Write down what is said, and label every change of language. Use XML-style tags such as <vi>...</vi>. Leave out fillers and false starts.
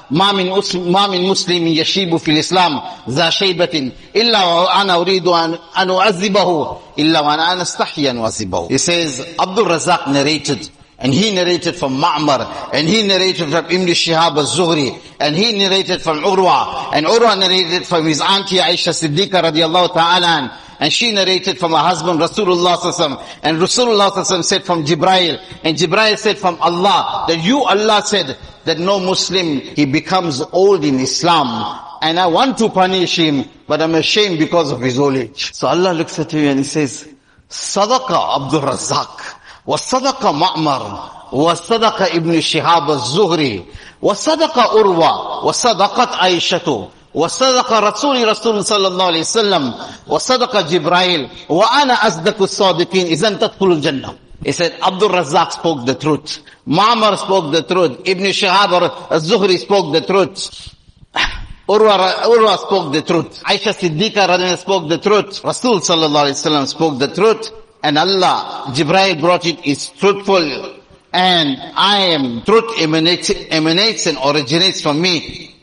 <ar>ما من مسلم يشيب في الإسلام ذا شيبة إلا وأنا أريد أن أعذبه إلا وأنا أستحي أن أعذبه.</ar> <en>He says, Abdul Razak narrated, and he narrated from Ma'mar, and he narrated from Ibn Shihab al-Zuhri, and he narrated from Urwa, and Urwa narrated from his auntie Aisha Siddiqa radiallahu ta'ala, and she narrated from her husband Rasulullah sallallahu alaihi wasallam, and Rasulullah sallallahu alaihi wasallam said from Jibrail, and Jibrail said from Allah, that you Allah said, that no Muslim, he becomes old in Islam. And I want to punish him, but I'm ashamed because of his old age. So Allah looks at you and he says, Sadaqa Abdul Razak.</en> <ar>وصدق معمر وصدق ابن شهاب الزهري وصدق أروى وصدقت عائشة وصدق رسول رسول صلى الله عليه وسلم وصدق جبرائيل وأنا أصدق الصادقين إذن تدخل الجنة.</ar> <en>He said, Abdul Razzaq spoke the truth. Ma'mar spoke the truth. Ibn Shihab al-Zuhri spoke the truth. Urwa spoke the truth. Aisha Siddiqa radhiyallahu anha spoke the truth. Rasul sallallahu alayhi wa sallam spoke the truth. And Allah, Jibreel brought it, is truthful. And I am, truth emanates and originates from me.</en>